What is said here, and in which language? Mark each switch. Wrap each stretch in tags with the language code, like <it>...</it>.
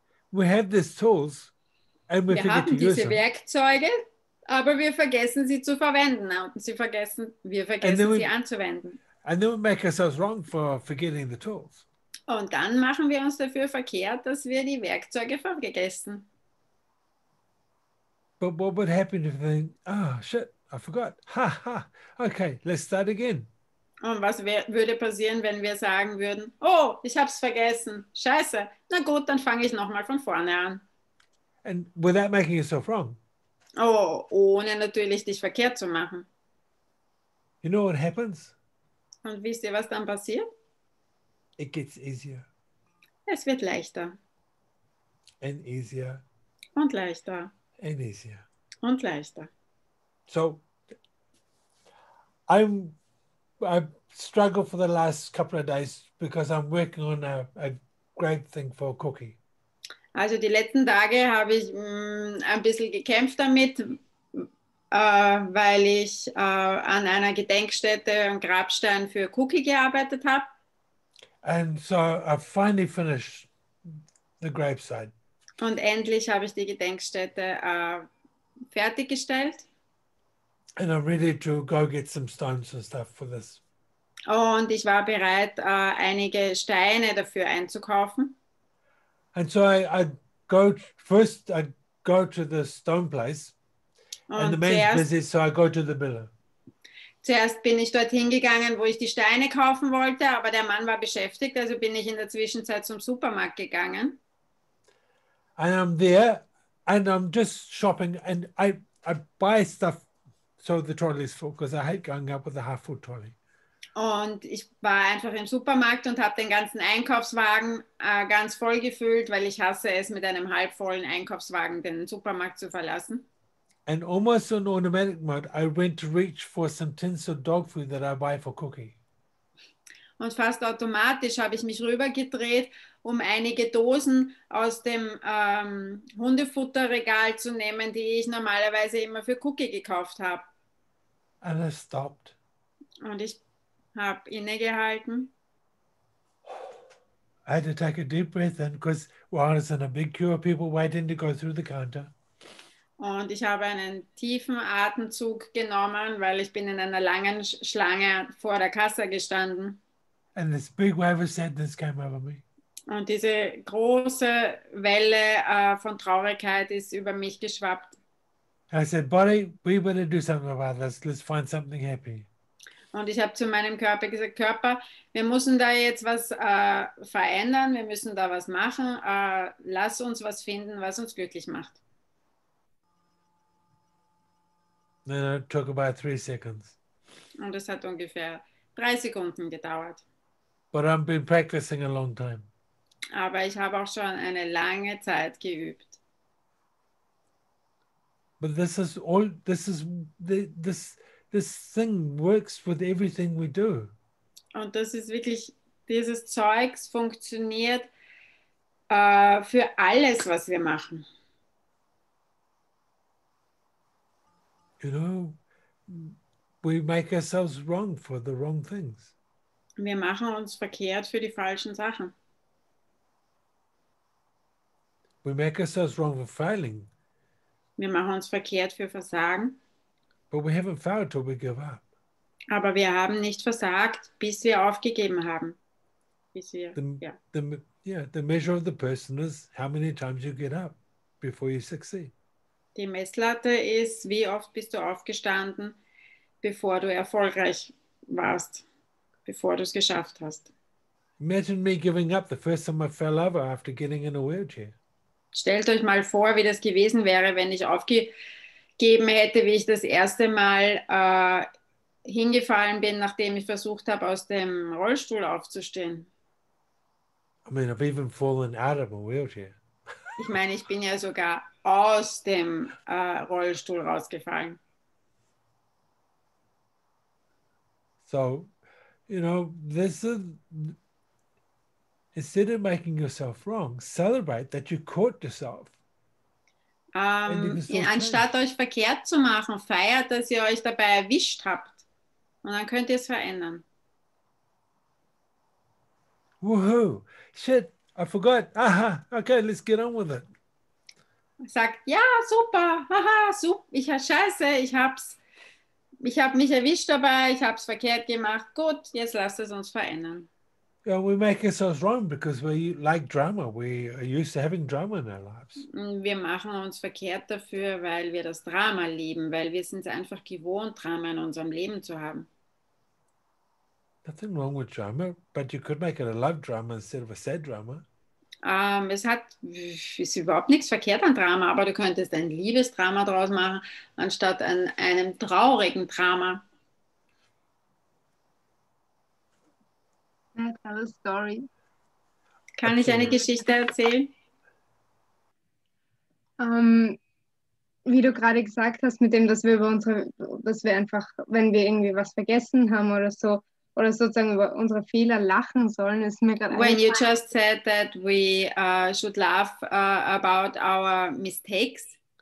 <en>We have these tools and we forget to use them.</en> <de>Wir haben diese Werkzeuge. Aber wir vergessen sie zu verwenden und wir vergessen sie anzuwenden.</de> <en>And then we make ourselves wrong for forgetting the tools.</en> <de>Und dann machen wir uns dafür verkehrt, dass wir die Werkzeuge vergessen.</de> <en>But what would happen if they, oh shit, I forgot. Ha ha. Okay, let's start again.</en> <de>Und was würde passieren, wenn wir sagen würden, oh, ich hab's vergessen. Scheiße. Na gut, dann fange ich nochmal von vorne an.</de> <en>And without making yourself wrong.</en> <de>Oh, ohne natürlich dich verkehrt zu machen.</de> <en>You know what happens?</en> <de>Und wisst ihr, was dann passiert?</de> <en>It gets easier.</en> <de>Es wird leichter.</de> <en>And easier.</en> <de>Und leichter.</de> <en>And easier.</en> <de>Und leichter.</de> <en>So, I've struggled for the last couple of days because I'm working on a great thing for Cookie.</en> <de>Also die letzten Tage habe ich ein bisschen gekämpft damit, weil ich an einer Gedenkstätte und Grabstein für Cookie gearbeitet habe.</de> <en>And so I finally finished the gravesite.</en> <de>Und endlich habe ich die Gedenkstätte fertiggestellt.</de> <en>And I'm ready to go get some stones and stuff for this.</en> <de>Und ich war bereit, einige Steine dafür einzukaufen.</de> <en>And so I go to the stone place and the man's busy, so I go to the miller.</en> <de>Zuerst bin ich dorthin gegangen, wo ich die Steine kaufen wollte, aber der Mann war beschäftigt, also bin ich in der Zwischenzeit zum Supermarkt gegangen.</de> <en>And I'm there and I'm just shopping and I buy stuff so the trolley is full, because I hate going up with a half full trolley.</en> <de>Und ich war einfach im Supermarkt und habe den ganzen Einkaufswagen ganz voll gefüllt, weil ich hasse es, mit einem halbvollen Einkaufswagen den Supermarkt zu verlassen.</de> <en>And almost in automatic mode, I went to reach for some tins of dog food that I buy for Cookie.</en> <de>Und fast automatisch habe ich mich rübergedreht, um einige Dosen aus dem Hundefutterregal zu nehmen, die ich normalerweise immer für Cookie gekauft habe.</de> <en>And I stopped.</en> <de>Und ich habe innegehalten.</de> <en>I had to take a deep breath in, because while I was in a big queue of people waiting to go through the counter.</en> <de>Und ich habe einen tiefen Atemzug genommen, weil ich bin in einer langen Schlange vor der Kasse gestanden.</de> <en>And this big wave of sadness came over me.</en> <de>Und diese große Welle von Traurigkeit ist über mich geschwappt.</de> <en>I said, buddy, we better do something about this. Let's find something happy.</en> <de>Und ich habe zu meinem Körper gesagt, Körper, wir müssen da jetzt was verändern, wir müssen da was machen. Lass uns was finden, was uns glücklich macht.</de> <en>Then it took about 3 seconds.</en> <de>Und es hat ungefähr 3 Sekunden gedauert.</de> <en>But I've been practicing a long time.</en> <de>Aber ich habe auch schon eine lange Zeit geübt.</de> <en>But this is all, this thing works with everything we do.</en> <de>Und das ist wirklich, dieses Zeugs funktioniert für alles, was wir machen.</de> <en>You know, we make ourselves wrong for the wrong things.</en> <de>Wir machen uns verkehrt für die falschen Sachen.</de> <en>We make ourselves wrong for failing.</en> <de>Wir machen uns verkehrt für Versagen.</de> <en>But we haven't failed till we give up.</en> <de>Aber wir haben nicht versagt, bis wir aufgegeben haben. Bis wir,</de> <en>The measure of the person is how many times you get up before you succeed.</en> <de>Die Messlatte ist, wie oft bist du aufgestanden, bevor du erfolgreich warst, bevor du es geschafft hast.</de> <en>Imagine me giving up the first time I fell over after getting in a wheelchair.</en> <de>Stellt euch mal vor, wie das gewesen wäre, wenn ich aufgegeben hätte, wie ich das erste Mal hingefallen bin, nachdem ich versucht habe, aus dem Rollstuhl aufzustehen.</de> <en>I mean, I've even fallen out of a wheelchair.</en> <de>Ich meine, ich bin ja sogar aus dem Rollstuhl rausgefallen.</de> <en>So, you know, this is, instead of making yourself wrong, celebrate that you caught yourself.</en> <de>Anstatt euch verkehrt zu machen, feiert, dass ihr euch dabei erwischt habt. Und dann könnt ihr es verändern.</de> <en>Woohoo! Shit, I forgot. Aha, okay, let's get on with it.</en> <de>Sagt, ja, super. Haha, super. Ich hab's Ich habe mich erwischt dabei, ich habe es verkehrt gemacht. Gut, jetzt lass es uns verändern.</de> <en>Yeah, we make ourselves wrong because we like drama. We are used to having drama in our lives.</en> <de>Wir machen uns verkehrt dafür, weil wir das Drama lieben, weil wir sind es einfach gewohnt, Drama in unserem Leben zu haben.</de> <en>Nothing wrong with drama, but you could make it a love drama instead of a sad drama.</en> <de>Es ist überhaupt nichts verkehrt an Drama, aber du könntest ein Liebesdrama draus machen, anstatt an einem traurigen Drama.</de> <en>Can I tell a story?</en> <de>Kann ich eine Geschichte erzählen? Wie du gerade gesagt hast, mit dem, dass wir einfach, wenn wir irgendwie was vergessen haben oder so, oder sozusagen über unsere Fehler lachen sollen, ist mir gerade.</de> <en>When you just said that we should laugh about our mistakes.</en>